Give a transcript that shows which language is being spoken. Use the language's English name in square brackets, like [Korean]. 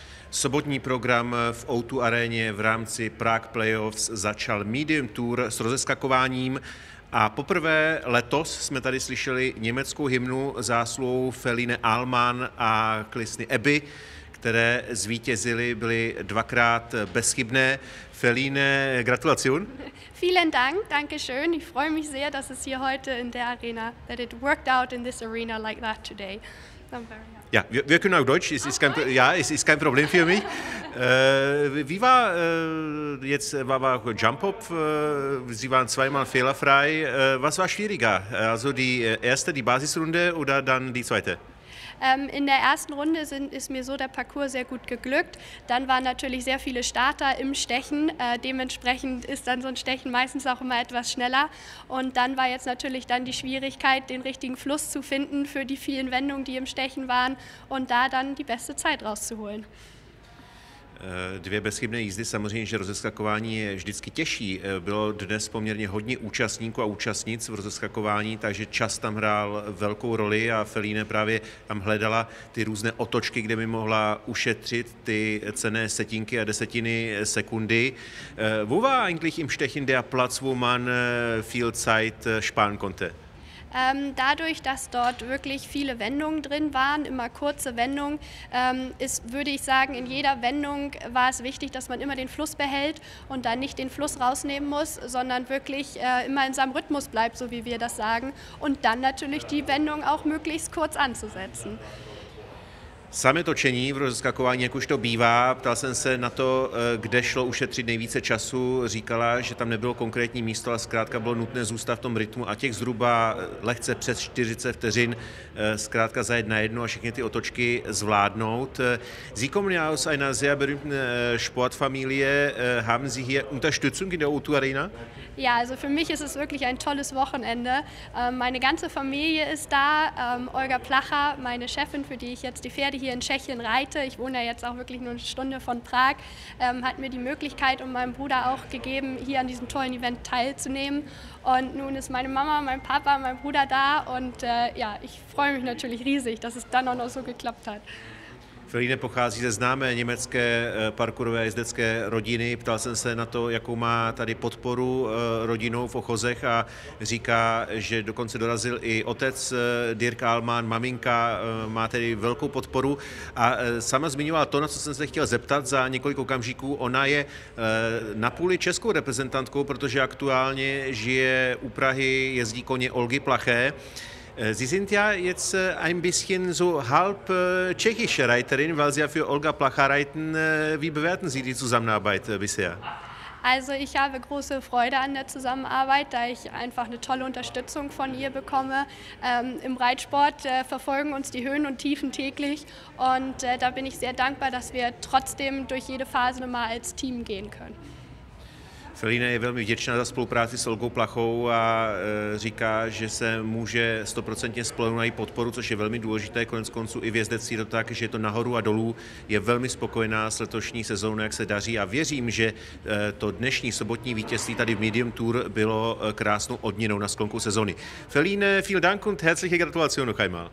[Czech] Sobotní program v O2 aréně v rámci Prague Playoffs začal Medium Tour s rozeskakováním a poprvé letos jsme tady slyšeli německou hymnu zásluhou Feline Alman a Klisny Ebby, které zvítězily, byly dvakrát bezchybné. [German] Feline, gratulation. Vielen Dank, danke schön. Ich freue mich sehr, dass es hier heute in der Arena, [English] that it worked out in this arena like that today. [German] Ja, wir können auch Deutsch, es ist kein Problem für mich. Wie war jetzt, war auch Jump-Up, Sie waren zweimal fehlerfrei. Was war schwieriger, also die erste, die Basisrunde oder dann die zweite? In der ersten Runde ist mir so der Parcours sehr gut geglückt. Dann waren natürlich sehr viele Starter im Stechen. Dementsprechend ist dann so ein Stechen meistens auch immer etwas schneller. Und dann war jetzt natürlich dann die Schwierigkeit, den richtigen Fluss zu finden für die vielen Wendungen, die im Stechen waren, und da dann die beste Zeit rauszuholen. [Czech] Dvě bezchybné jízdy, samozřejmě, že rozeskakování je vždycky těžší. Bylo dnes poměrně hodně účastníků a účastnic v rozeskakování, takže čas tam hrál velkou roli a Feline právě tam hledala ty různé otočky, kde by mohla ušetřit ty cenné setinky a desetiny sekundy. [German] Wo war eigentlich im Stechen der Platz, wo man viel Zeit sparen konnte? Dadurch, dass dort wirklich viele Wendungen drin waren, immer kurze Wendungen, würde ich sagen, in jeder Wendung war es wichtig, dass man immer den Fluss behält und dann nicht den Fluss rausnehmen muss, sondern wirklich immer in seinem Rhythmus bleibt, so wie wir das sagen, und dann natürlich die Wendung auch möglichst kurz anzusetzen. [Czech] Samé točení v rozeskakování, jak už to bývá, ptal jsem se na to, kde šlo ušetřit nejvíce času, říkala, že tam nebylo konkrétní místo, ale zkrátka bylo nutné zůstat v tom rytmu a těch zhruba lehce přes 40 vteřin zkrátka zajet na jednu a všechny ty otočky zvládnout. [German] Sie kommen ja aus einer sehr berühmten Sportfamilie, haben Sie hier Unterstützung in der O2 Arena? Ja, also für mich ist es wirklich ein tolles Wochenende. Meine ganze Familie ist da, Olga Placher, meine Chefin, für die ich jetzt die Pferde hier in Tschechien reite, ich wohne ja jetzt auch wirklich nur eine Stunde von Prag, hat mir die Möglichkeit und meinem Bruder auch gegeben, hier an diesem tollen Event teilzunehmen. Und nun ist meine Mama, mein Papa, mein Bruder da und ja, ich freue mich natürlich riesig, dass es dann auch noch so geklappt hat. [Czech] Feline pochází ze známé německé parkourové jezdecké rodiny. Ptal jsem se na to, jakou má tady podporu rodinou v Ochozech a říká, že dokonce dorazil i otec Dirk Alman, maminka má tedy velkou podporu. A sama zmiňovala to, na co jsem se chtěl zeptat za několik okamžiků. Ona je napůli českou reprezentantkou, protože aktuálně žije u Prahy, jezdí koně Olgy Plaché. [German] Sie sind ja jetzt ein bisschen so halb tschechische Reiterin, weil Sie ja für Olga Placher reiten. Wie bewerten Sie die Zusammenarbeit bisher? Also ich habe große Freude an der Zusammenarbeit, da ich einfach eine tolle Unterstützung von ihr bekomme. Im Reitsport verfolgen uns die Höhen und Tiefen täglich und da bin ich sehr dankbar, dass wir trotzdem durch jede Phase nochmal als Team gehen können. [Czech] Feline je velmi vděčná za spolupráci s Olgou Plachou a říká, že se může 100% spolehnout na její podporu, což je velmi důležité, konec konců i v jezdectví to tak, že je to nahoru a dolů, je velmi spokojená s letošní sezónou, jak se daří a věřím, že to dnešní sobotní vítězství tady v Medium Tour bylo krásnou odměnou na sklonku sezóny. Feline, [German] vielen Dank und herzliche Gratulation noch einmal.